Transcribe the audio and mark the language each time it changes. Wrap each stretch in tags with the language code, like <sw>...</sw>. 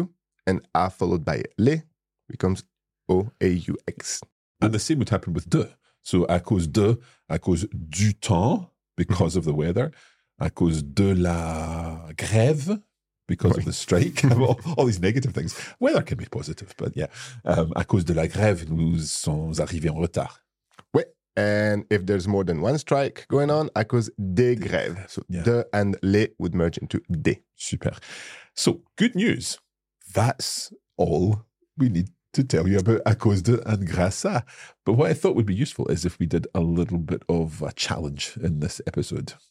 <en>au, and à followed by le becomes o, aux. And the same would happen with de. So</en> <fr>à cause du temps</fr> <en>because of the weather,</en> <fr>à cause de la grève,</fr> <en>because of the strike, all these negative things. Weather can be positive, but yeah.</en> <fr>À cause de la grève, nous sommes arrivés en retard.</fr> <en>Oui, and if there's more than one strike going on,</en> <fr>à cause des grèves.</fr> <en>So yeah. De and les would merge into des. Super. So, good news. That's all we need to tell you about à cause de and grâce à. But what I thought would be useful is if we did a little bit of a challenge in this episode.</en>